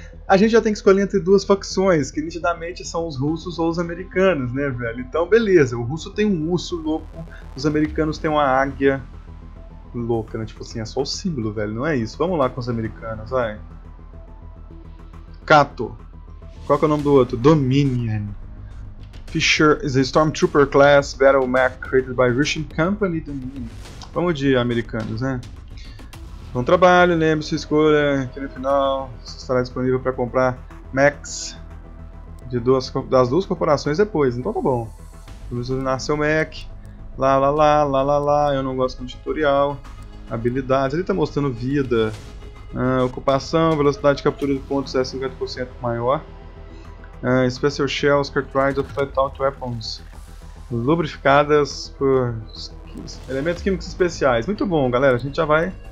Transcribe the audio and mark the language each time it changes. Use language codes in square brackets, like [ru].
[pt] A gente já tem que escolher entre duas facções, que nitidamente são os russos ou os americanos, né, velho? Então, beleza. O russo tem um urso louco, os americanos têm uma águia louca, né? Tipo assim, é só o símbolo, velho. Não é isso. Vamos lá com os americanos, vai. Kato. Qual que é o nome do outro? Dominion. [en] Fisher is a Stormtrooper class battle mech created by Russian company Dominion. [pt] Vamos de americanos, né? Bom trabalho, lembre-se, escolha aqui no final, estará disponível para comprar Max de das duas corporações depois, então tá bom. Vamos usar seu Mac, lá lá lá, lá lá lá, eu não gosto de tutorial, habilidades, ele tá mostrando vida, ocupação, velocidade de captura de pontos é 50% maior, [en] Special Shells, Cartridge of Flat-Out Weapons, [pt] lubrificadas por elementos químicos especiais, muito bom galera, a gente já vai...